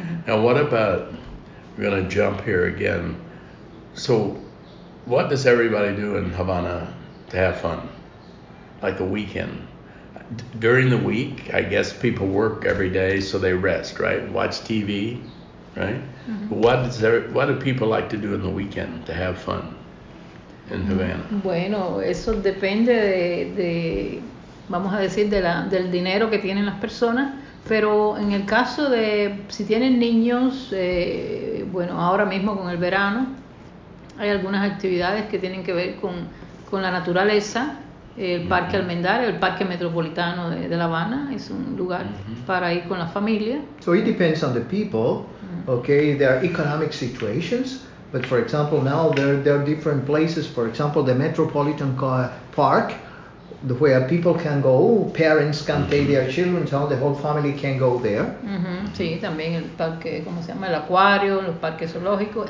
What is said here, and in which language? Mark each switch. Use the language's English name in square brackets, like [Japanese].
[English] Now what about, we're going to jump here again. So what does everybody do in Havana to have fun? Like the weekend. During the week, I guess people work every day, so they rest, right? Watch TV, right? Mm-hmm. What do people like to do in the weekend to have fun in Havana? [Spanish] Bueno, eso depende de... vamos a decir del dinero que tienen las personas, pero en el caso de si tienen niños, ahora mismo con el verano hay algunas actividades que tienen que ver con la naturaleza, el Parque Almendar, el Parque Metropolitano de La Habana, es un lugar para ir con la familia. [English] So it depends on the people, there are economic situations, but for example now there are different places, for example the Metropolitan Park, where people can go, parents can take their children, so the whole family can go there. [Spanish] Mm-hmm. Sí, también el parque, ¿cómo se llama? El acuario, los parques zoológicos.